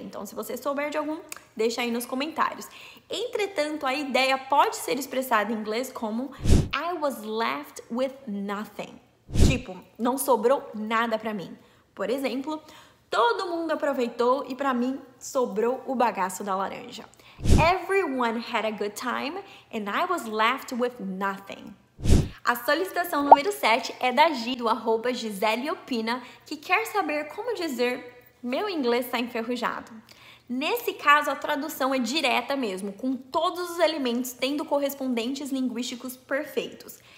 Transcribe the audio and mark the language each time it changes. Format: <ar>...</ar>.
<pt>Então, se você souber de algum, deixa aí nos comentários. Entretanto, a ideia pode ser expressada em inglês como</pt> <en>I was left with nothing.</en> <pt>Tipo, não sobrou nada para mim. Por exemplo, todo mundo aproveitou e pra mim sobrou o bagaço da laranja.</pt> <en>Everyone had a good time and I was left with nothing.</en> <pt>A solicitação número 7 é da Gi, do arroba Gisele Opina, que quer saber como dizer meu inglês está enferrujado. Nesse caso, a tradução é direta mesmo, com todos os elementos tendo correspondentes linguísticos perfeitos.</pt>